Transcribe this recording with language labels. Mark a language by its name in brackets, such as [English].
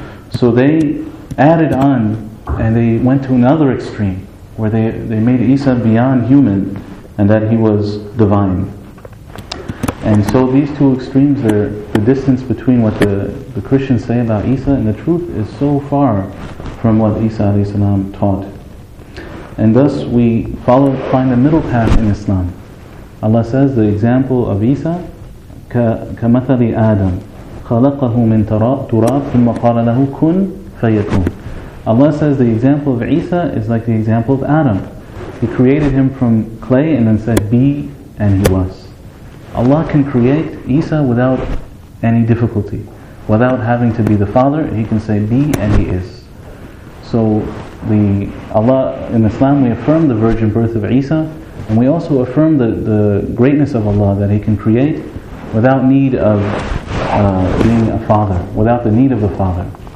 [English] So they added on and they went to another extreme where they made Isa beyond human and that he was divine. And so these two extremes, the distance between what the Christians say about Isa and the truth is so far from what Isa alayhi salam taught. And thus we find the middle path in Islam. Allah says the example of Isa, [Arabic] كَمَثَلِ آدَمْ خَلَقَهُ مِنْ تُرَابٍ ثُمَّ قَالَ لَهُ كُنْ فَيَكُونَ. [English] Allah says the example of Isa is like the example of Adam. He created him from clay and then said, "Be," and he was. Allah can create Isa without any difficulty. Without having to be the father, he can say, "Be," and he is. So Allah in Islam, we affirm the virgin birth of Isa, and we also affirm the greatness of Allah, that He can create without need of being a father, without the need of a father.